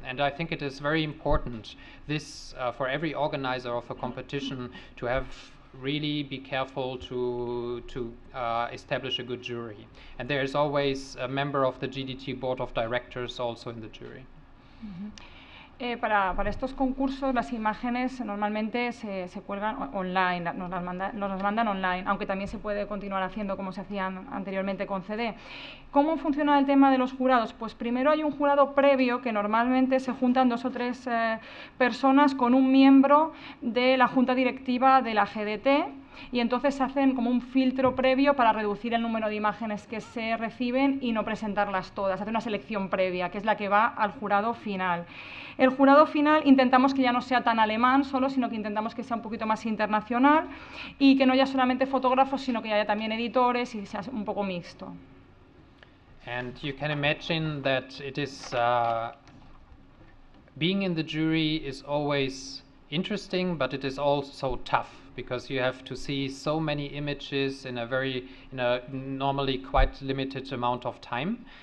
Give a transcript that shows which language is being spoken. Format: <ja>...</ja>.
<en>And I think it is very important, this for every organizer of a competition, to have really be careful to establish a good jury. And there is always a member of the GDT board of directors also in the jury. Mm-hmm.</en> <es>Para estos concursos, las imágenes normalmente se cuelgan online, nos mandan online, aunque también se puede continuar haciendo como se hacían anteriormente con CD. ¿Cómo funciona el tema de los jurados? Pues primero hay un jurado previo que normalmente se juntan dos o tres personas con un miembro de la junta directiva de la GDT y entonces hacen como un filtro previo para reducir el número de imágenes que se reciben y no presentarlas todas. Hace una selección previa, que es la que va al jurado final. El jurado final intentamos que ya no sea tan alemán solo, sino que intentamos que sea un poquito más internacional y que no haya solamente fotógrafos, sino que haya también editores y sea un poco mixto.</es> <en>And you can imagine that it is being in the jury is always interesting, but it is also tough because you have to see so many images in a very, in a normally quite limited amount of time.</en>